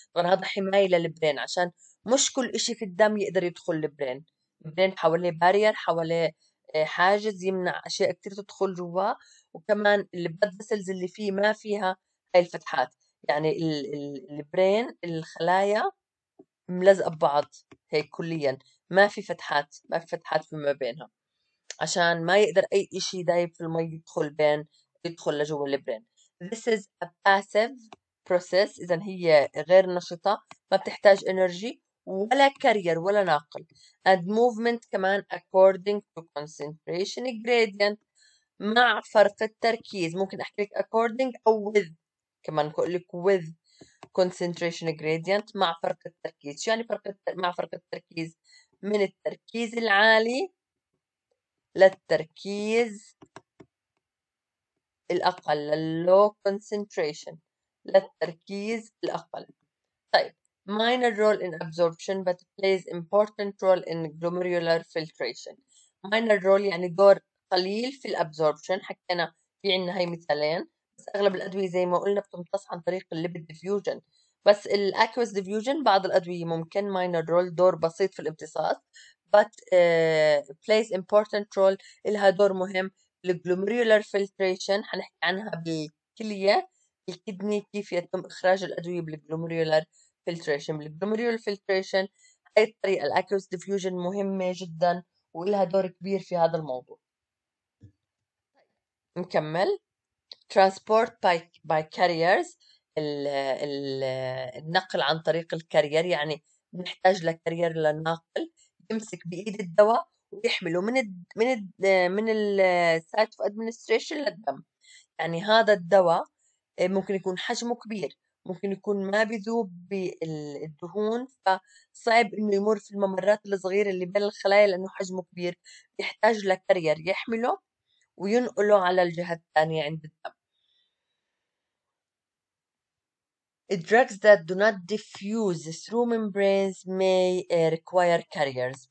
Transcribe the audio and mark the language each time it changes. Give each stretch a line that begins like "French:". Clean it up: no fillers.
Arabic: طبعا هذا حماية للبرين، عشان مش كل إشي في الدم يقدر يدخل البرين، البرين حواليه بارير، حواليه حاجز يمنع أشياء كتير تدخل جواه، وكمان البلد فيسلز اللي فيه ما فيها هاي الفتحات، يعني البرين الخلايا ملزقة ببعض هيك كليا، ما في فتحات، ما في فتحات فيما بينها، عشان ما يقدر أي إشي دايب في المي يدخل بين، يدخل لجوا البرين.
English: This is a passive process،
Arabic: إذا هي غير نشطة، ما بتحتاج energy ولا carrier ولا ناقل.
English: And movement كمان according to concentration gradient،
Arabic: مع فرق التركيز. ممكن أحكي لك according أو with، كمان أقول لك with concentration gradient، مع فرق التركيز. يعني مع فرق التركيز من التركيز العالي للتركيز الأقل، low concentration، للتركيز الأقل.
English: طيب minor role in absorption but plays important role in glomerular filtration.
Arabic: minor role يعني دور قليل في الأبزوربشن، حكينا في عنا هاي مثالين، بس أغلب الأدوية زي ما قلنا بتمتص عن طريق الليبيد ديفيوجن، بس الأكويس ديفيوجن بعض الأدوية ممكن minor role، دور بسيط في الامتصاص،
English: but plays important role،
Arabic: إلها دور مهم بالglomerular filtration، حنحكي عنها بالكلية الكدني كيف يتم إخراج الأدوية بالglomerular filtration. بالglomerular filtration هاي الطريقة الأكويس ديفيوجن مهمة جدا وإلها دور كبير في هذا الموضوع.
English: نكمل. transport by carriers
Arabic: النقل عن طريق الكارير، يعني نحتاج لكارير للناقل يمسك بإيد الدواء ويحمله من السايت اوف ادمنستريشن للدم. يعني هذا الدواء ممكن يكون حجمه كبير، ممكن يكون ما بيذوب بالدهون، فصعب انه يمر في الممرات الصغيره اللي بين الخلايا لانه حجمه كبير، يحتاج لكارير يحمله وينقله على الجهه الثانيه عند الدم.
English: Drugs that do not diffuse through membranes may require carriers.